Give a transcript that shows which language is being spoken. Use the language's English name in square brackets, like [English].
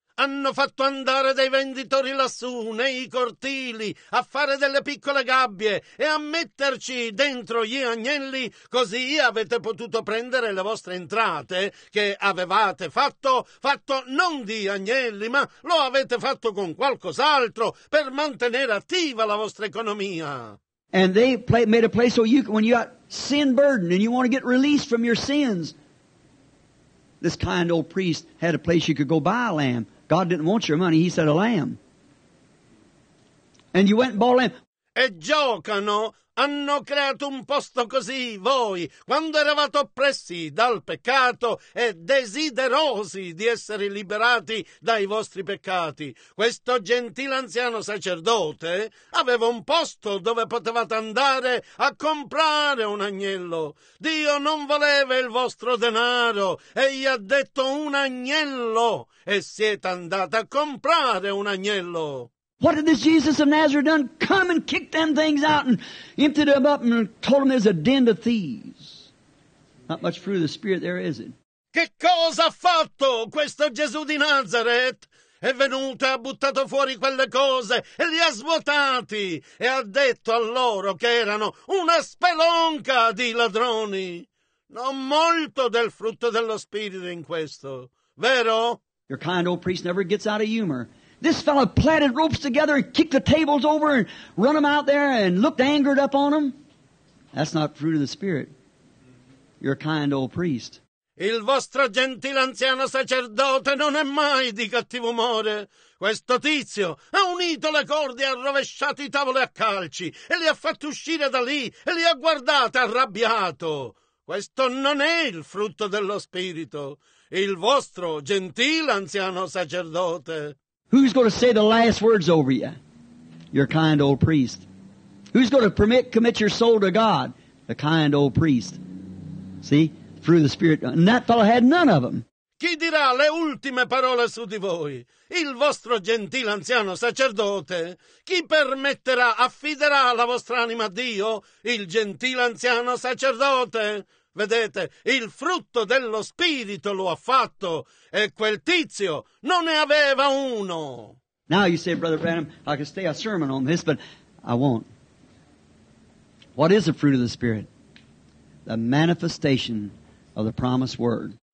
[Italian] Hanno fatto andare dei venditori lassù, nei cortili, a fare delle piccole gabbie e a metterci dentro gli agnelli, così avete potuto prendere le vostre entrate che avevate fatto non di agnelli, ma lo avete fatto con qualcos'altro per mantenere attiva la vostra economia. [English] And they made a place so you can, when you got sin burden and you want to get released from your sins, this kind old priest had a place you could go buy a lamb. God didn't want your money. He said a lamb. And you went and bought a lamb. [Italian] E giocano. Hanno creato un posto così voi, quando eravate oppressi dal peccato e desiderosi di essere liberati dai vostri peccati. Questo gentile anziano sacerdote aveva un posto dove potevate andare a comprare un agnello. Dio non voleva il vostro denaro e gli ha detto un agnello e siete andati a comprare un agnello. [English] What had this Jesus of Nazareth done? Come and kick them things out and emptied them up and told them there's a den of thieves. Not much fruit of the Spirit there, is it? [Italian] Che cosa ha fatto questo Gesù di Nazareth? È venuto e ha buttato fuori quelle cose e li ha svuotati e ha detto a loro che erano una spelonca di ladroni. Non molto del frutto dello Spirito in questo, vero? [English] Your kind old priest never gets out of humor. This fellow plaited ropes together and kicked the tables over and run them out there and looked angered up on them. That's not fruit of the Spirit. You're a kind old priest. [Italian] Il vostro gentile anziano sacerdote non è mai di cattivo umore. Questo tizio ha unito le corde e ha rovesciato i tavoli a calci e li ha fatti uscire da lì e li ha guardati arrabbiato. Questo non è il frutto dello Spirito. Il vostro gentile anziano sacerdote. [English] Who's going to say the last words over you? Your kind old priest. Who's going to commit your soul to God? The kind old priest. See? Through the Spirit. And that fellow had none of them. [Italian] Chi dirà le ultime parole su di voi? Il vostro gentile anziano sacerdote? Chi permetterà, affiderà la vostra anima a Dio? Il gentile anziano sacerdote? Vedete, il frutto dello Spirito lo ha fatto e quel tizio non ne aveva uno. [English] Now you say, Brother Branham, I could stay a sermon on this, but I won't. What is the fruit of the Spirit? The manifestation of the promised word.